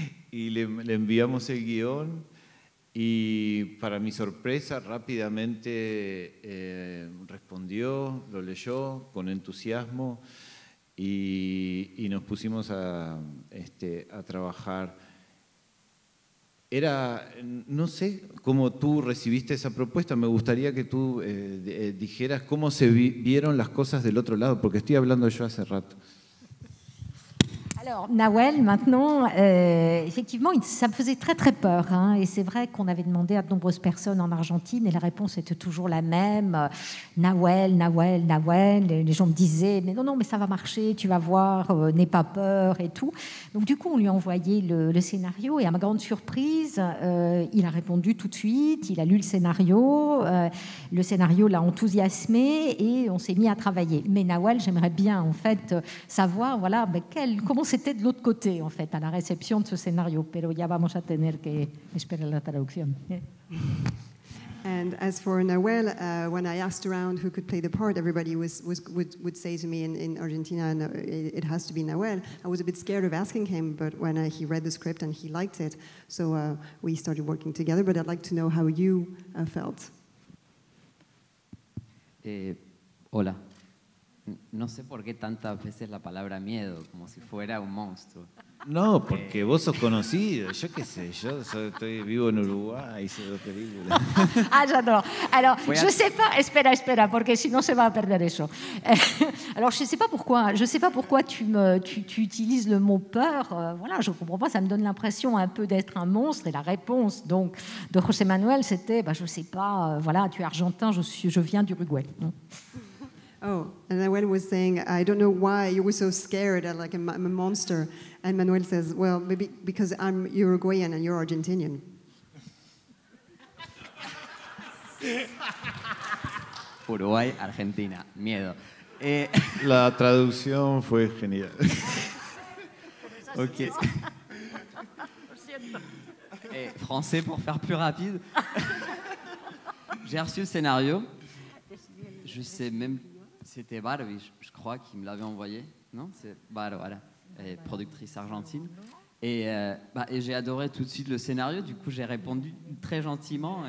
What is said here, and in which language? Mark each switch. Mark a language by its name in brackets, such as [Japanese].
[Spanish] y le enviamos el guión. Y para mi sorpresa, rápidamente respondió, lo leyó con entusiasmo y nos pusimos a trabajar. Era, no sé cómo tú recibiste esa propuesta, me gustaría que tú dijeras cómo se vieron las cosas del otro lado, porque estoy hablando yo hace rato. [French] Alors, Nahuel, maintenant, effectivement, ça me faisait très, très peur. Hein, et c'est vrai qu'on avait demandé à de nombreuses personnes en Argentine et la réponse était toujours la même. Nahuel. Les gens me disaient, mais non, mais ça va marcher, tu vas voir, n'aie pas peur et tout. Donc, du coup, on lui a envoyé le scénario et à ma grande surprise, il a répondu tout de suite, il a lu le scénario. Le scénario l'a enthousiasmé et on s'est mis à travailler. Mais Nahuel, j'aimerais bien, en fait, savoir, voilà, mais comment c'était de l'autre côté, en fait, à la réception de ce scénario. [Spanish] Pero ya vamos a tener que esperar la traducción. [English] And as for Nahuel, when I asked around who could play the part, everybody would say to me in Argentina, it has to be Nahuel. I was a bit scared of asking him, but when he read the script and he liked it, so we started working together. But I'd like to know how you felt. [Spanish] Hola. No sé por qué tantas veces la palabra miedo, como si fuera un monstruo. No, porque vos sos conocido, yo qué sé, yo estoy vivo en Uruguay, hice 2 películas. Ah, ya no. [French] Alors, je sais pas, [Spanish] espera, porque sinon se va a perder eso. [French] Alors, je sais pas pourquoi tu utilises le mot peur. Voilà, je comprends pas, ça me donne l'impression un peu d'être un monstre, et la réponse donc de José Manuel, c'était je sais pas, voilà, tu es argentin, je viens d'Uruguay. [English] Oh, and Manuel was saying, I don't know why you were so scared, like I'm a monster. And Manuel says, well, maybe because I'm Uruguayan and you're Argentinian. [Spanish] Uruguay, Argentina, miedo. La traducción fue genial. Ok. [French] Français pour faire plus rapide. J'ai reçu le scénario. Je sais même pas. C'était Barbie, je crois, qui me l'avait envoyé, non? C'est Barbara, productrice argentine. Et j'ai adoré tout de suite le scénario, du coup j'ai répondu très gentiment.